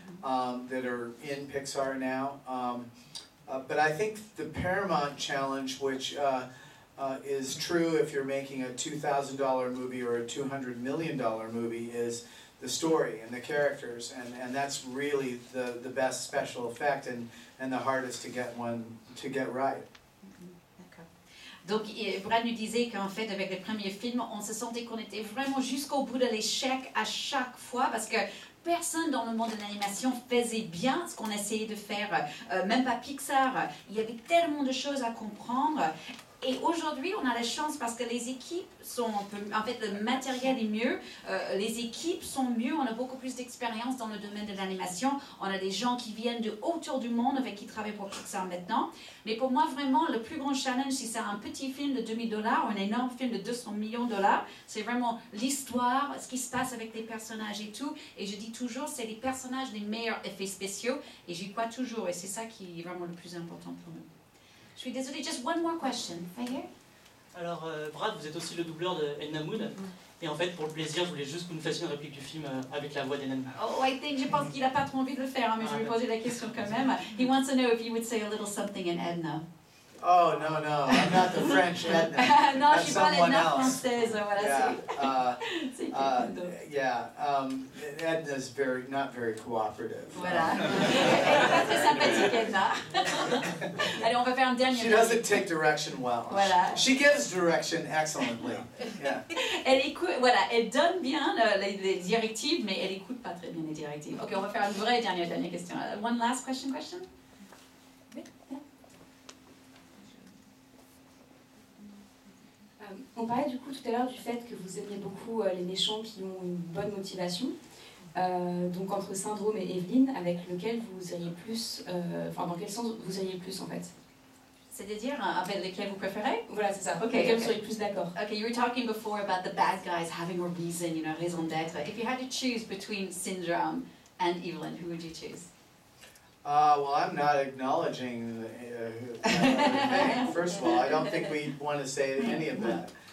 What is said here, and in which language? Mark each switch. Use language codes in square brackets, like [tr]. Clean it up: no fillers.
[en] That are in Pixar now, but I think the Paramount challenge, which is true if you're making a $2,000 movie or a $200 million movie, is the story and the characters, and that's really the best special effect and the hardest to get one to get right. [fr] Donc, Brad nous disait qu'en fait, avec les premiers films, on se sentait qu'on était vraiment jusqu'au bout de l'échec à chaque fois, parce que personne dans le monde de l'animation faisait bien ce qu'on essayait de faire, même pas Pixar. Il y avait tellement de choses à comprendre. Et aujourd'hui, on a la chance parce que les équipes sont... En fait, le matériel est mieux, les équipes sont mieux, on a beaucoup plus d'expérience dans le domaine de l'animation. On a des gens qui viennent de autour du monde avec qui travaillent pour Pixar maintenant. Mais pour moi, vraiment, le plus grand challenge, si c'est un petit film de 2000 dollars ou un énorme film de 200 millions de dollars, c'est vraiment l'histoire, ce qui se passe avec les personnages et tout. Et je dis toujours, c'est les personnages les meilleurs effets spéciaux. Et j'y crois toujours. Et c'est ça qui est vraiment le plus important pour nous. Je suis désolée, [en] just one more question. [fr] Alors, Brad, vous êtes aussi le doubleur de Edna Mood. Et en fait, pour le plaisir, je voulais juste que vous nous fassiez une réplique du film avec la voix d'Edna Mood. [en] Oh, I think, [fr] je pense qu'il n'a pas trop envie de le faire, hein, mais je vais poser la question quand même. [en] He wants to know if you would say a little something in Edna. Oh, no, no, I'm not the French Edna. [fr] Non, je suis pas l'Edna française, voilà. [en] Yeah, Edna's very, not very cooperative. [fr] Voilà. Elle n'est pas très sympathique, Edna. Allez, on va faire un dernier. [en] She doesn't take direction well. [fr] Voilà. [en] She gives direction excellently. Yeah. [fr] Elle écoute, voilà, elle donne bien les directives, mais elle n'écoute pas très bien les directives. Ok, on va faire une vraie dernière question. [en] One last question. [fr] On parlait du coup tout à l'heure du fait que vous aimiez beaucoup les méchants qui ont une bonne motivation, donc entre Syndrome et Evelyn, avec lequel vous auriez plus, dans quel sens vous auriez plus en fait? C'est-à-dire, avec lequel vous préférez? Voilà, c'est ça. [en] Okay, [fr] lequel vous seriez plus d'accord? [en] Okay, you were talking before about the bad guys having a reason, you know, raison d'être. If you had to choose between Syndrome and Evelyn, who would you choose? Well, I'm not acknowledging the name. First of all, I don't think we want to say any of that.